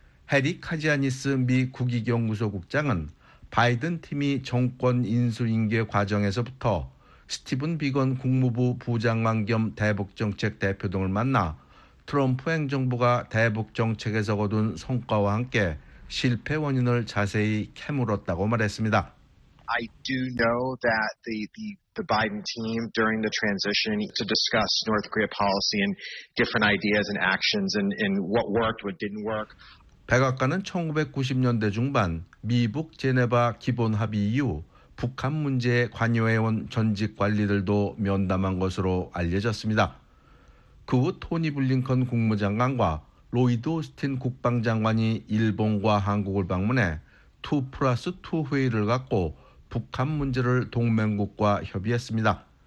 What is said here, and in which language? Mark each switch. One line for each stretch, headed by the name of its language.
Korean: 해리 카지아니스 미 국익연구소 국장은 바이든 팀이 정권 인수인계 과정에서부터 스티븐 비건 국무부 부장관 겸 대북정책 대표 등을 만나 트럼프 행정부가 대북정책에서 거둔 성과와 함께 실패 원인을 자세히 캐물었다고 말했습니다.
English: I do know that the Biden team during the transition to discuss North Korea policy and different ideas and actions and what worked, what didn't work.
Korean: 백악관은 1990년대 중반 미북 제네바 기본 합의 이후 북한 문제에 관여해온 전직 관리들도 면담한 것으로 알려졌습니다. 그 후 토니 블링컨 국무장관과 로이드 오스틴 국방장관이 일본과 한국을 방문해 2 플러스 2 회의를 갖고 북한 문제를 동맹국과 협의했습니다.